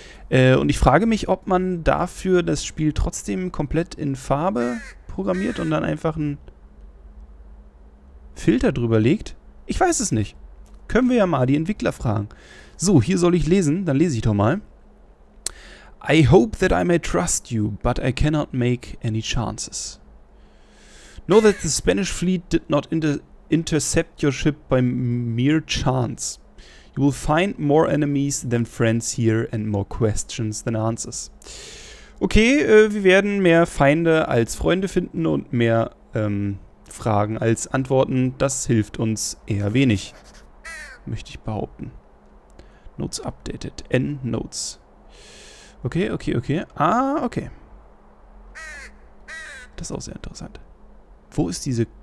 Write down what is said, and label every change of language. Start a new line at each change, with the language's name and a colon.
German: Und ich frage mich, ob man dafür das Spiel trotzdem komplett in Farbe programmiert und dann einfach einen Filter drüber legt. Ich weiß es nicht. Können wir ja mal die Entwickler fragen. So, hier soll ich lesen, dann lese ich doch mal.
English: I hope that I may trust you, but I cannot make any chances. Know that the Spanish fleet did not intercept your ship by mere chance. You will find more enemies than friends here and more questions than answers.
German: Okay, wir werden mehr Feinde als Freunde finden und mehr Fragen als Antworten. Das hilft uns eher wenig. Möchte ich behaupten.
English: Notes updated. End Notes.
German: Okay, okay, okay. Ah, okay. Das ist auch sehr interessant. Wo ist diese